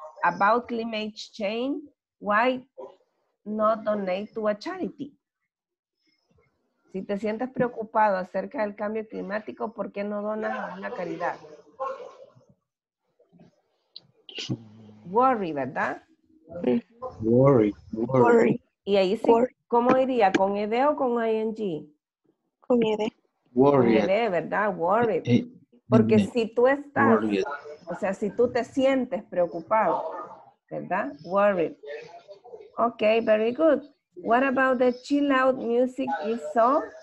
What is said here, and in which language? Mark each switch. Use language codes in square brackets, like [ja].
[en] About climate change, why not donate to a charity? [es] Si te sientes preocupado acerca del cambio climático, ¿por qué no donas a una caridad? Worry, ¿verdad? [en] Worry. [es] Y ahí sí, ¿cómo iría? ¿Con ED o con ING? Con ED. [en] Worried. [es] ¿Verdad? Worried. Porque si tú estás, o sea, si tú te sientes preocupado, ¿verdad? [en] Worried. Ok, very good. What about the chill out music you saw?